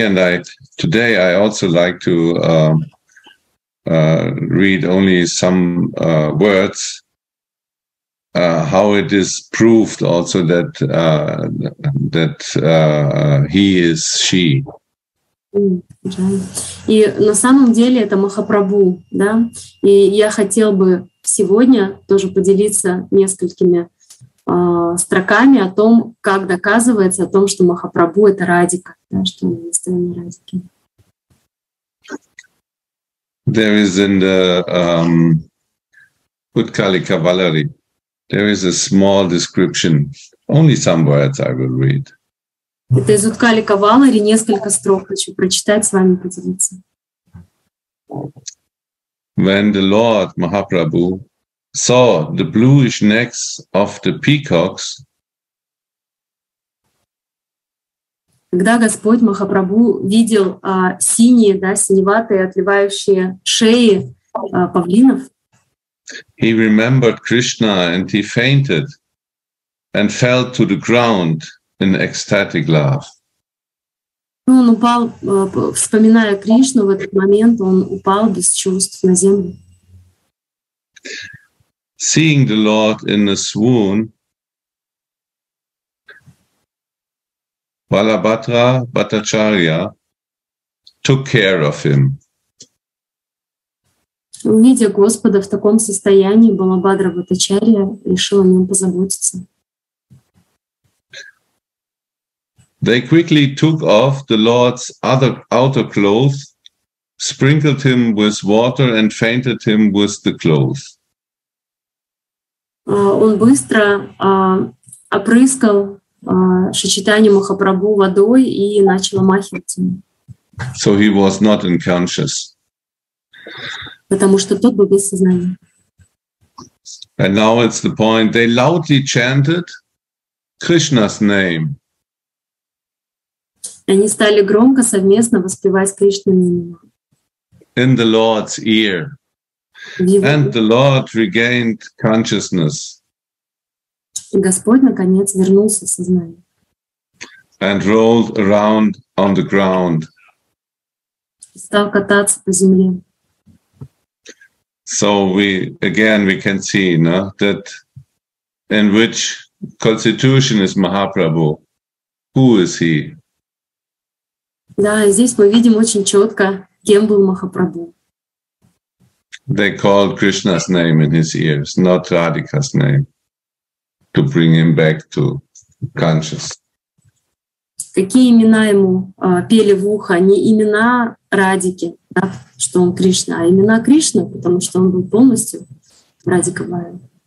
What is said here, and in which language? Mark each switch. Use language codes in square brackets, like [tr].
[en] And today I also like to read only some words, how it is proved also that he is she. [ru] И на самом деле это Махапрабху, да? И я хотел бы сегодня тоже поделиться несколькими строками о том, как доказывается о том, что Махапрабху — это Радика, да, что он на стороне Радики. [en] There is in the Utkali Cavalry, there is a small description, only some words I will read. [ru] Это из Уткали Кавалари, несколько строк хочу прочитать, с вами поделиться. [en] When the Lord Mahaprabhu saw the bluish necks of the peacocks, [ru] когда Господь Махапрабху видел синие, да, синеватые, отливающие шеи павлинов, [en] he remembered Krishna and he fainted and fell to the ground in ecstatic love. [ru] Он упал, вспоминая Кришну, в этот момент он упал без чувств на землю. [en] Seeing the Lord in a swoon, Balabhadra Bhattacharya took care of him. [ru] Увидя Господа в таком состоянии, Балабхадра Бхаттачарья решил о нем позаботиться. [en] They quickly took off the Lord's other outer clothes, sprinkled him with water and fainted him with the clothes. [ru] Он быстро опрыскал Шачитани Махапрабху водой и начал махивать им. [en] So he was not unconscious. [ru] Потому что тот был без сознания. [en] And now it's the point. They loudly chanted Krishna's name. [ru] Они стали громко совместно воспевать Кришнино имя. [en] In the Lord's ear. And the Lord regained consciousness. [ru] Господь наконец вернулся в сознание. [en] And rolled around on the ground. [ru] Стал кататься по земле. [en] So we can see, no, that in which constitution is Mahaprabhu? Who is he? [ru] Да, здесь мы видим очень четко, кем был Махапрабху. [en] They called Krishna's name in his ears, not Radhika's name, to bring him back to consciousness. [ru] Какие имена ему пели в ухо? Не имена Радики, да, что он Кришна, а имена Кришны, потому что он был полностью Радикабая.